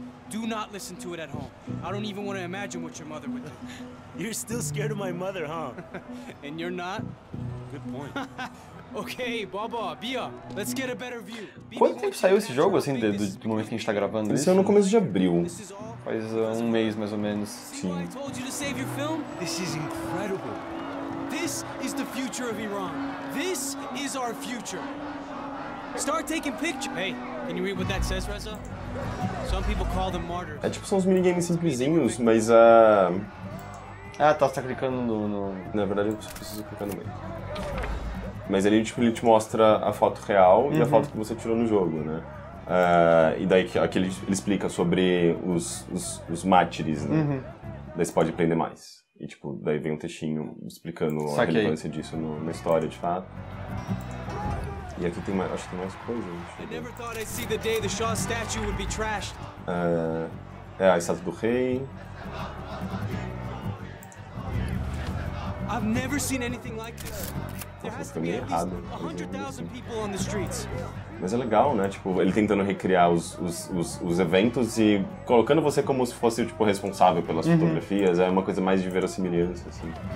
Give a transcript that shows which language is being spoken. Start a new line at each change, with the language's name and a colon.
English: Do not listen to it at home. I don't even want to imagine what your mother would do. You're still scared of my mother, huh? And you're not? Good point. Okay, Baba, Bia, let's get a better view.
Portuguese: Quanto tempo saiu esse jogo, assim, do momento que a gente tá gravando isso? Isso é no começo de abril. Faz um mês, mais ou menos. Sim.
English: I told you to save your film? This is incredible. This is the future of Iran. This is our future. Start taking pictures. Hey, can you read what that says, Reza? Some people call them martyrs.
Portuguese: É tipo, são uns minigames simplesinhos, mas Tá clicando no... Na verdade, eu preciso clicar no meio. Mas ele, tipo, ele te mostra a foto real, uhum, e a foto que você tirou no jogo, né? E daí aqui ele explica sobre os mártires, né? Uhum. Daí você pode aprender mais. E, tipo, daí vem um textinho explicando a relevância disso no, na história, de fato. E aqui tem mais, acho que tem mais coisa, acho. É a estátua do rei.
English: I've never seen anything like this.
Portuguese: Nossa, isso errado,
English: 100,000 people on the streets.
Portuguese: Mas é legal, né? Tipo, ele tentando recriar os eventos e colocando você como se fosse tipo responsável pelas fotografias. É uma coisa mais de verossimilhança, assim.